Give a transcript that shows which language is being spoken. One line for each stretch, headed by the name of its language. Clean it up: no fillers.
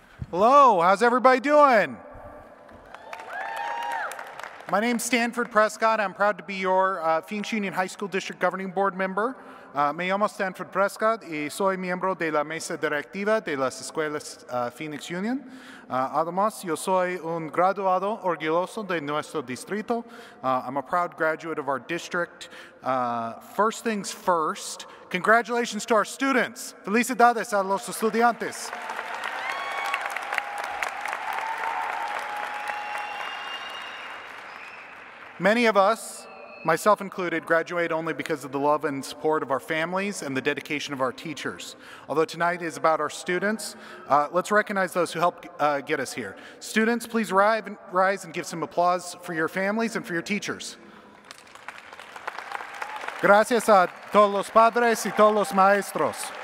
English: Hello, how's everybody doing? My name's Stanford Prescott. I'm proud to be your Phoenix Union High School District Governing Board Member.
Spanish: Me llamo Stanford Prescott y soy miembro de la mesa directiva de las escuelas Phoenix Union. Además, yo soy un graduado orgulloso de nuestro distrito.
English: I'm a proud graduate of our district. First things first, congratulations to our students.
Spanish: Felicidades a los estudiantes.
English: Many of us, myself included, graduate only because of the love and support of our families and the dedication of our teachers. Although tonight is about our students, let's recognize those who helped get us here. Students, please rise and give some applause for your families and for your teachers.
Spanish: Gracias a todos los padres y todos los maestros.